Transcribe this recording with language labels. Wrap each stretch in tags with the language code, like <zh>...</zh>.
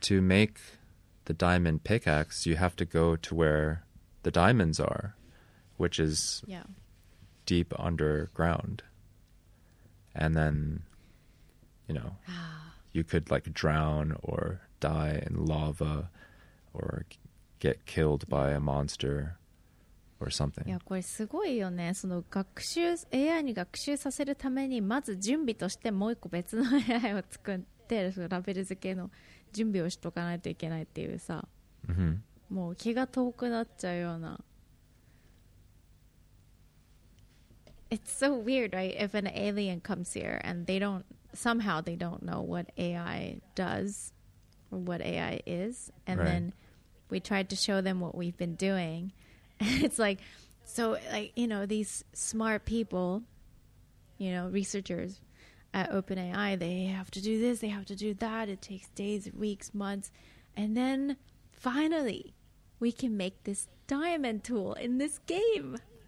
<en>To make the diamond pickaxe, you have to go to where the diamonds are, which is deep underground. And then... You know, you could like drown or die in lava or get killed by a monster or something. Yeah,</en> <ja>これすごいよね。その学習 AI に学習させるためにまず準備としてもう一個別の AI を作ってそのラベル付けの準備をしとかないといけないっていうさ。 Mm-hmm. もう気が遠くなっちゃうような。</ja> <en>It's so weird, right? If an alien comes here and they don't somehow they don't know what AI does or what AI is, and right. then we tried to show them what we've been doing. It's like, so like, you know, these smart people, you know, researchers at OpenAI, they have to do this, they have to do that, it takes days, weeks, months, and then finally we can make this diamond tool in this game.</en>